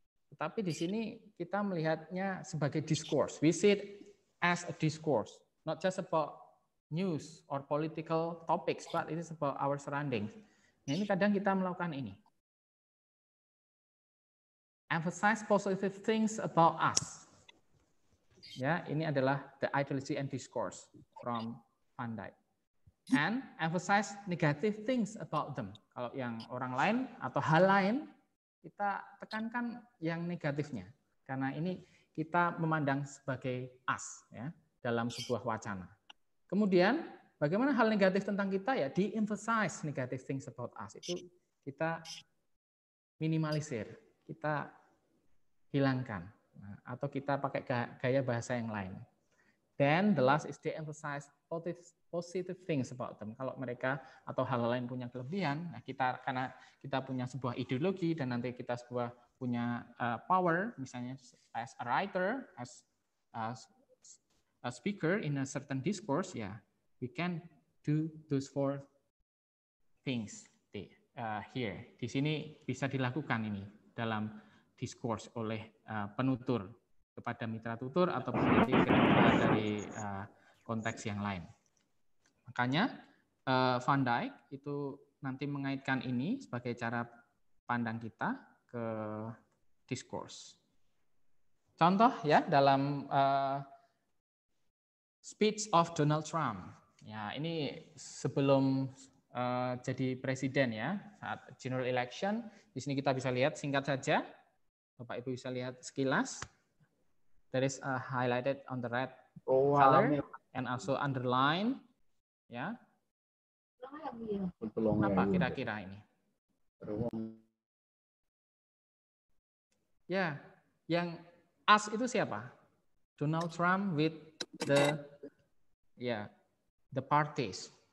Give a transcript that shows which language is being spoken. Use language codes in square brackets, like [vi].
[id] Tetapi di sini kita melihatnya sebagai discourse. [en] We see it as a discourse, not just about news or political topics, but it is about our surroundings. [id] Nah, ini kadang kita melakukan ini. [en] Emphasize positive things about us. [id] Ya, ini adalah [en] the ideology and discourse from Van Dyck. And emphasize negative things about them. [id] Kalau yang orang lain atau hal lain, kita tekankan yang negatifnya. Karena ini kita memandang sebagai us, ya, dalam sebuah wacana. Kemudian, bagaimana hal negatif tentang kita, ya, [en] de-emphasize negative things about us. [id] Itu kita minimalisir, kita hilangkan. Atau kita pakai gaya bahasa yang lain. [en] Then the last is to emphasize positive things about them. [id] Kalau mereka atau hal lain punya kelebihan, nah, kita karena kita punya sebuah ideologi dan nanti kita sebuah punya power, misalnya [en] as a writer, as a speaker in a certain discourse, yeah, we can do those four things here. [id] Di sini bisa dilakukan ini dalam discourse oleh penutur kepada mitra tutur atau penutur dari konteks yang lain. Makanya Van Dyck itu nanti mengaitkan ini sebagai cara pandang kita ke discourse. Contoh ya dalam speech of Donald Trump. Ya, ini sebelum jadi presiden ya, saat general election. Di sini kita bisa lihat singkat saja. Bapak Ibu bisa lihat sekilas. [en] There is a highlighted on the red color and also underline ya. [id] Apa kira-kira ini? Ya, yang us itu siapa? Donald Trump [en] with the the parties.